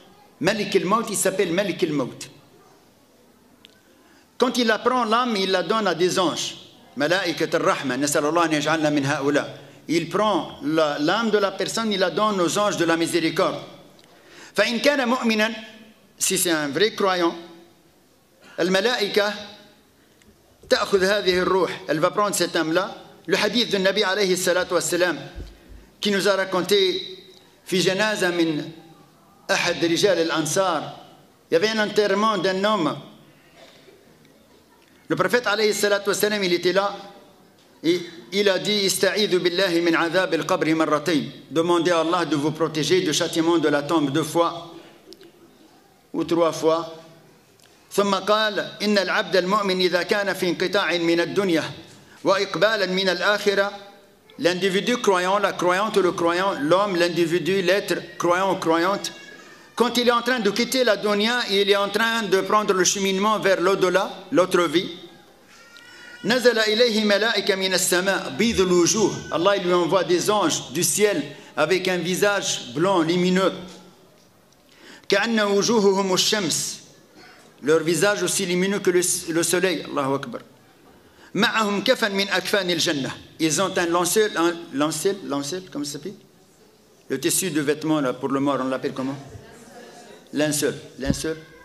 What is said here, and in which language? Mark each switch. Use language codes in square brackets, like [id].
[fr] « Malikul maut » Il s'appelle « Malikul maut » Quand il apprend l'âme, il la donne à des anges. « [ar] Malaikat al-Rahman »« Nasalallah nijalna min ha'oula [fr] » Il prend l'âme de la personne, il la donne aux anges de la miséricorde. « [ar] Fa in kana mu'minan [fr] » Si c'est un vrai croyant, [ar] الملائكة تأخذ هذه الروح. [fr] Elle va prendre cette âme-là. Le hadith du Nabi alayhi salatu wassalam qui nous a raconté [ar] في جنازة من أحد رجال الأنصار. [fr] Il y avait un enterrement d'un homme. Le prophète alayhi salatu wassalam, il était là. Il a dit [ar] استعيذ بالله من عذاب القبر مرتين. [fr] Demandez à Allah de vous protéger du châtiment de la tombe deux fois ou trois fois. [ar] ثم قال إن العبد المؤمن إذا كان في انقطاع من الدنيا وإقبالا من الآخرة. [fr] L'individu croyant, la croyante ou le croyant, l'homme, l'individu, l'être croyant ou croyante, quand il est en train de quitter la dunya, il est en train de prendre le cheminement vers l'au-delà, l'autre vie. [ar] نزل إليه ملائكة من السماء بيض الوجوه. [fr] Allah lui envoie des anges du ciel avec un visage blanc lumineux. [ar] كأن وجوههم الشمس. [fr] Leur visage aussi lumineux que le soleil. [ar] Allahu Akbar. معهم كفن من أكفان الجنة. [fr] Ils ont un lancel, comment ça s'appelle? Le tissu de vêtements là, pour le mort, on l'appelle comment? Linceul.